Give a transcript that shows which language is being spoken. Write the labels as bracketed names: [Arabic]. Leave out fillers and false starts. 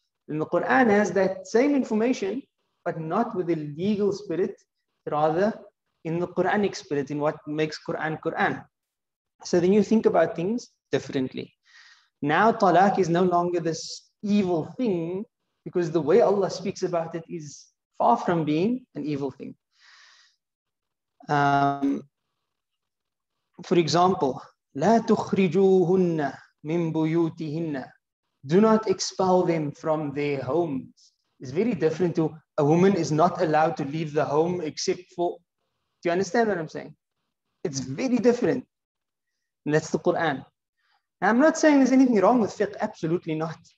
[English] And the Quran has that same information, but not with a legal spirit, rather in the Quranic spirit, in what makes Quran, Quran. So then you think about things differently. Now talaq is no longer this evil thing, because the way Allah speaks about it is far from being an evil thing. For example, [Arabic] لا تخرجوهن من بيوتهن. [English] Do not expel them from their homes. It's very different to a woman is not allowed to leave the home except for... Do you understand what I'm saying? It's very different. And that's the Quran. Now, I'm not saying there's anything wrong with fiqh. Absolutely not.